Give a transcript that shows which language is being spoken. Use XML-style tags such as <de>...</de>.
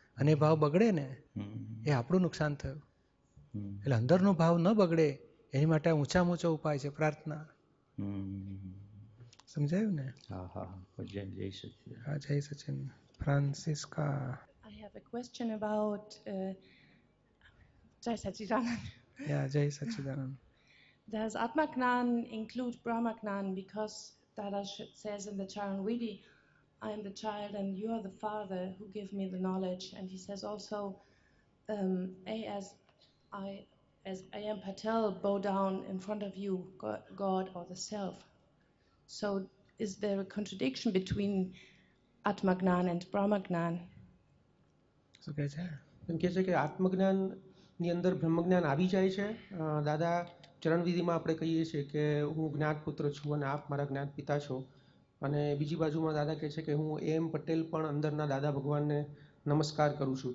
<gu>અને એ ભાવ બગડે ને એ આપણું નુકસાન થયું. એટલે અંદરનો ભાવ ન બગડે એની માટે ઊંચા ઊંચો ઉપાય છે પ્રાર્થના. સમજાયું ને? હા હા, જય જય સચિન. હા, જય Sachin. ફ્રાન્સિસ્કા.</gu> <en>I have a question about જય સચિદાનંદ.</en> <gu>યા, જય સચિદાનંદ.</gu> <en>Does Atmaknan include Brahmaknan? Because Dada says in the Charanvidhi, I am the child and you are the father who give me the knowledge. And he says also, as I am Patel, bow down in front of you, God or the Self. So is there a contradiction between Atmaknan and Brahmaknan? So guys,</en> <gu>એમ કહે છે કે આત્મજ્ઞાનની અંદર બ્રહ્મજ્ઞાન આવી જાય છે. દાદા ચરણવિધિમાં આપણે કહીએ છીએ કે હું જ્ઞાત પુત્ર છું અને આપ મારા જ્ઞાત પિતા છો, અને બીજી બાજુમાં દાદા કહે છે કે હું એમ પટેલ પણ અંદરના દાદા ભગવાનને નમસ્કાર કરું છું.</gu>